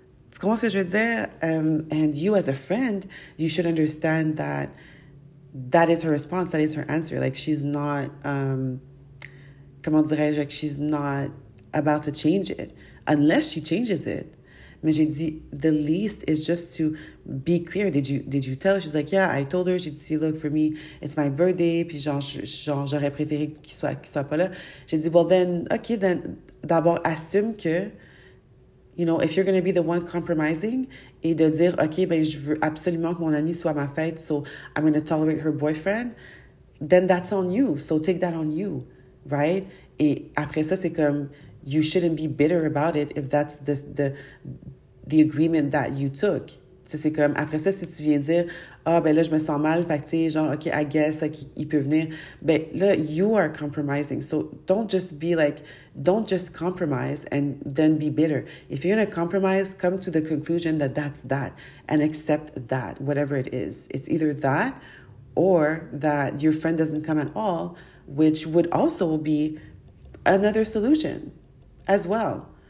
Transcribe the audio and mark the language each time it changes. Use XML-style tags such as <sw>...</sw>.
<fr>Tu comprends ce que je veux dire?</fr> <en>And you as a friend, you should understand that that is her response, that is her answer. Like, she's not,</en> <fr>comment dirais-je,</fr> <en>like, she's not about to change it, unless she changes it.</en> <fr>Mais j'ai dit,</fr> <en>the least is just to be clear. Did you tell her? She's like, yeah, I told her. She said, look, for me, it's my birthday.</en> <fr>Puis genre j'aurais préféré qu'il soit pas là.</fr> <en>J'ai dit, well, then, okay, then, d'abord, assume que, you know, if you're going to be the one compromising,</en> <fr>et de dire, okay, ben, je veux absolument que mon ami soit à ma fête,</fr> <en>so I'm going to tolerate her boyfriend, then that's on you. So take that on you, right?</en> <fr>Et après ça, c'est comme,</fr> <en>you shouldn't be bitter about it if that's the agreement that you took.</en> <fr>T'sais, c'est comme, après ça, si tu viens dire, ah, ben là, je me sens mal, fait que, tu sais, genre,</fr> <en>okay, I guess, like,</en> <fr>il peut venir. Ben là,</fr> <en>you are compromising. So don't just be like, don't just compromise and then be bitter. If you're going to compromise, come to the conclusion that that's that and accept that, whatever it is. It's either that or that your friend doesn't come at all, which would also be another solution as well.</en>